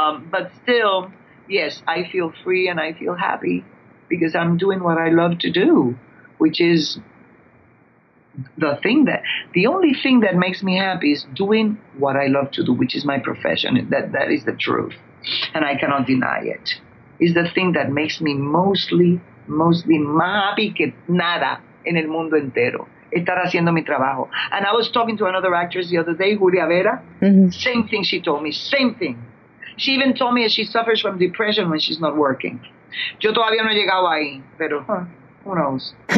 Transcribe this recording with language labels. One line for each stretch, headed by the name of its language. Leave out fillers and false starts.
English: But still, yes, I feel free and I feel happy because I'm doing what I love to do, which is the only thing that makes me happy is doing what I love to do, which is my profession. That is the truth, and I cannot deny it. It's the thing that makes me mostly
Spanish: más happy que nada en el mundo entero, estar haciendo mi trabajo.
English: And I was talking to another actress the other day, Julia Vera, mm-hmm. same thing she told me, same thing. She even told me that she suffers from depression when she's not working.
Spanish: Yo todavía no he llegado ahí, pero
English: who knows.